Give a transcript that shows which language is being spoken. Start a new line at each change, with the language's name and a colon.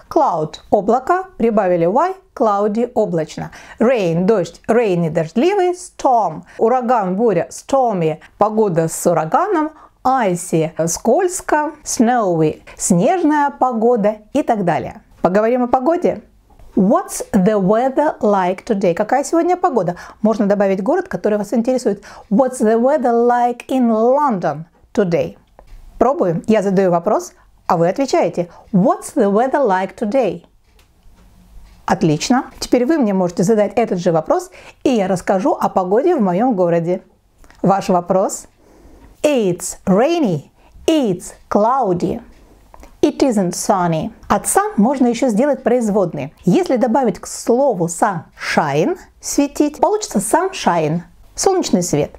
Russian: Cloud – облако, прибавили y – cloudy – облачно. Rain – дождь, rainy – дождливый. Storm – ураган, буря, stormy – погода с ураганом. Icy – скользко, snowy – снежная погода и так далее. Поговорим о погоде.
English: What's the weather like today?
Russian: Какая сегодня погода? Можно добавить город, который вас интересует.
English: What's the weather like in London today?
Russian: Пробуем. Я задаю вопрос, а вы отвечаете.
English: What's the weather like today?
Russian: Отлично. Теперь вы мне можете задать этот же вопрос, и я расскажу о погоде в моем городе. Ваш вопрос.
English: It's rainy. It's cloudy. It isn't sunny.
Russian: От sun можно еще сделать производные. Если добавить к слову sunshine, светить, получится sunshine, солнечный свет.